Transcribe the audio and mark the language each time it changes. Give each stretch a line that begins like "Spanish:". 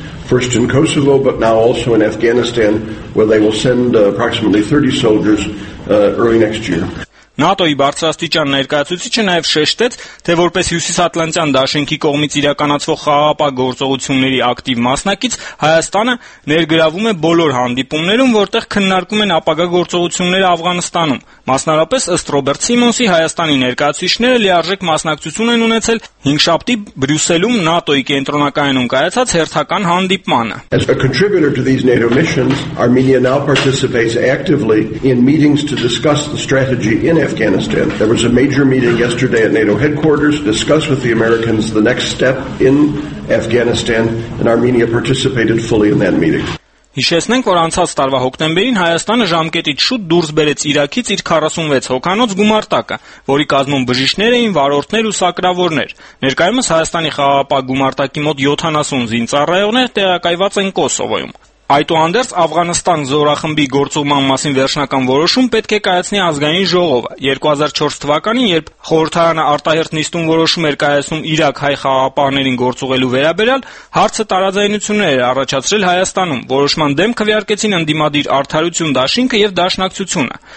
English: First in Kosovo, but now also in Afghanistan, where they will send approximately 30 soldiers early next year.
Armenian: ՆԱՏՕ-ի բարձրաստիճան ներկայացուցիչը նաև շեշտեց, թե որպես հյուսիսատլանտյան դաշինքի կողմից իրականացվող խաղաղապահ գործողությունների ակտիվ մասնակից, Հայաստանը ներգրավում է բոլոր հանդիպումներում, որտեղ քննարկում են ապագա գործողությունները Աֆղանստանում։ Մասնարարապես, ըստ Ռոբերտ Սիմոնսի, Հայաստանի ներկայացուցիչները լիարժեք մասնակցություն են ունեցել 5 շաբթի Բրյուսելում ՆԱՏՕ-ի կենտրոնակայանում կայացած հերթական հանդիպմանը։
English: As a contributor to these NATO missions, Armenia now participates actively in meetings to discuss the strategy in Afghanistan. There was a major meeting yesterday at NATO headquarters to discuss with the Americans the next step in Afghanistan, and Armenia participated fully in that meeting.
Armenian: Հիշեցնենք, որ անցած տարվա հոկտեմբերին Հայաստանը ժամկետից շուտ դուրս բերեց Իրաքից իր 46 հոգանոց գումարտակը, որի կազմում բժիշկներ էին, վարորդներ ու սակրավորներ։ Ներկայումս Հայաստանի խաղաղապահ գումարտակի մոտ 70 զինծառայողներ տեղակայված են Կոսովոյում։ Այդուհանդերձ, Աֆղանստան զորախմբի գործողման մասին վերջնական որոշում պետք է կայացնի ազգային ժողովը։ 2004 թվականին, երբ խորհրդարանը արտահերթ նիստում որոշում էր կայացնում Իրաք-հայ խաղաղապահներին գործողելու վերաբերյալ, հարցը տարաձայնություններ էր առաջացրել Հայաստանում։ Որոշման դեմ քվեարկեցին ընդդիմադիր արդարություն Դաշինքը և Դաշնակցությունը։